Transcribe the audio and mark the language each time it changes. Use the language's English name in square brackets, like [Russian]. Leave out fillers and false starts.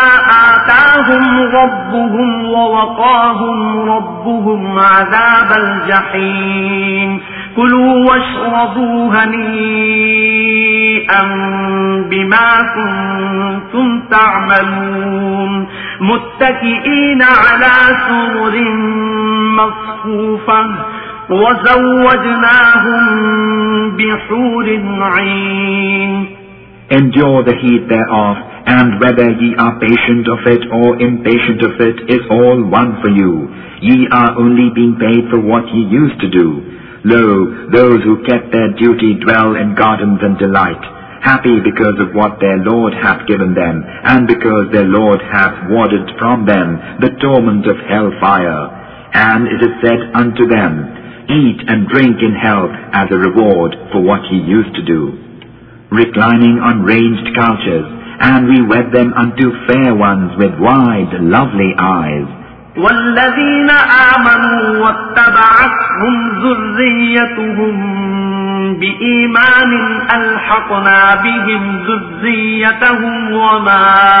[Arabic] آتاهم ربهم ووقاهم ربهم عذاب الجحيم كلوا واشربوا هنيئا بما كنتم تعملون متكئين على سرر مصفوفة وزوجناهم بحور عين. [English] Endure the heat thereof, and whether ye are patient of it or impatient of it is all one for you. Ye are only being paid for what ye used to do. Lo, those who kept their duty dwell in gardens and delight, happy because of what their Lord hath given them, and because their Lord hath warded from them the torment of hell fire. And it is said unto them, eat and drink in health as a reward for what ye used to do. Reclining on ranged couches, and we wed them unto fair ones with wide, lovely eyes. [Arabic] والذين آمنوا واتبعتهم ذريتهم بإيمان ألحقنا بهم ذريتهم وما